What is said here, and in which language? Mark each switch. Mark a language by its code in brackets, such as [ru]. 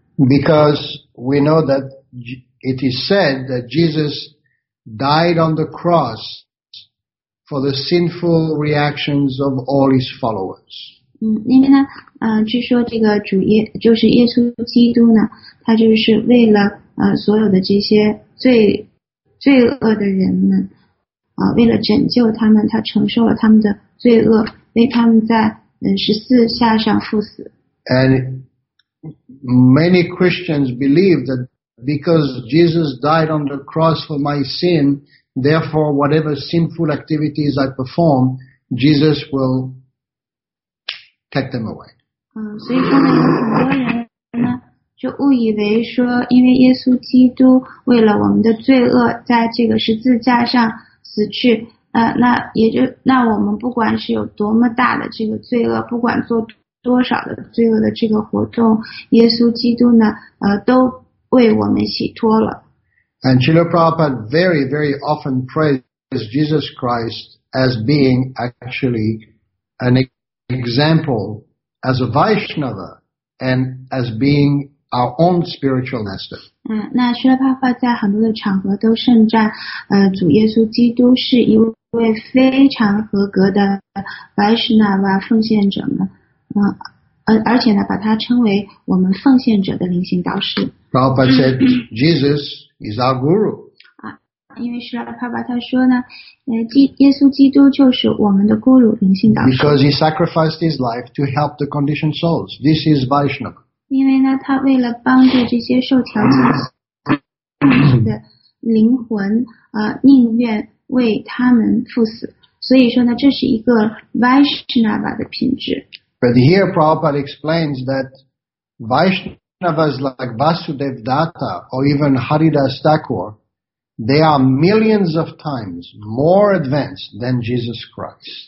[en] Because we know that it is said that Jesus died on the cross for the sinful reactions of all his followers. [zh] 因为呢，据说这个主耶就是耶稣基督呢，他就是为了所有的这些罪恶的人们，为了拯救他们，他承受了他们的罪恶，为他们在十字架上赴死。 [en] And many Christians believe that because Jesus died on the cross for my sin, therefore whatever sinful activities I perform, Jesus will take them away. [zh] 所以说呢，有很多人呢就误以为说，因为耶稣基督为了我们的罪恶在这个十字架上死去，那我们不管是有多么大的这个罪恶，不管做多少的罪恶的这个活动，耶稣基督呢，都为我们洗脱了。 [en] And Srila Prabhupada very, very often praises Jesus Christ as being actually an example as a Vaishnava and as being our own spiritual master. [zh] 那Srila Prabhupada在很多的场合都盛赞，主耶稣基督是一位非常合格的 Vaishnava 奉献者呢。而且呢，把他称为我们奉献者的灵性导师。 [en] Prabhupada said, Jesus is our guru. [zh] 因为是爸爸他说呢，耶稣基督就是我们的 guru 灵性导师。 [en] Because he sacrificed his life to help the conditioned souls. This is Vaishnava. [zh] 因为呢，他为了帮助这些受条件的灵魂，宁愿为他们赴死。所以说呢，这是一个 Vaishnava 的品质。 [en] But here Prabhupada explains that Vaishnavas like Vasudev Datta or even Haridas Thakur, they are millions of times more advanced than Jesus Christ.